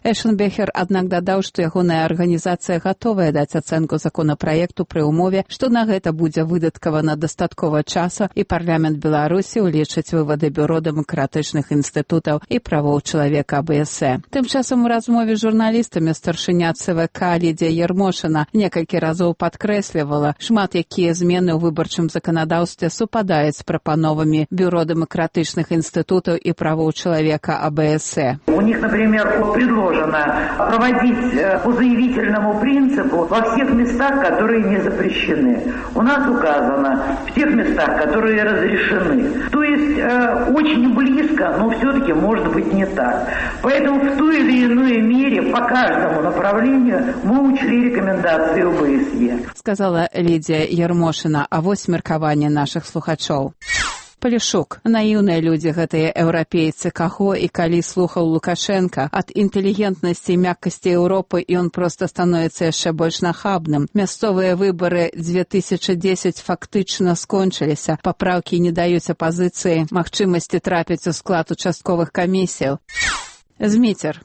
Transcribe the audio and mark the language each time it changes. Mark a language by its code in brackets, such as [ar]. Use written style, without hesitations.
[be] Эшенбехер, аднак, дадаў, што ягоная арганізацыя гатовая даць ацэнку законапраекту пры ўмове, што на гэта будзе выдаткавана дастаткова часу, і парламент Беларусі ўлічыць вывады бюро дэмакратычных інстытутаў і правоў чалавека АБСЕ. Тым часам у размове з журналістамі старшыня ЦВК Лідія Ярмошына некалькі разоў падкрэслівала, шмат якія змены ў выбарчым заканадаўстве супадаюць з прапановамі бюро дэмакратычных інстытутаў і правоў чалавека АБСЕ. [ru] У них, например, предложено проводить по заявительному принципу во всех местах, которые не запрещены. У нас указано в тех местах, которые разрешены. То есть очень близко, но все-таки может быть не так. Поэтому в той или иной мере по каждому направлению мы учли рекомендации ОБСЕ. Сказала Лидия Ярмошина. [be] А вот меркование наших слухачов. Палішук. Наіўныя людзі гэтыя еўрапейцы, каго і калі слухаў Лукашэнка. Ад інтэлігентнасці і мяккасці Еўропы ён проста становіцца яшчэ больш нахабным. Мясцовыя выбары 2010 фактычна скончыліся. Папраўкі не даюць апазіцыі магчымасці трапіць у склад участковых камісій. Змітер.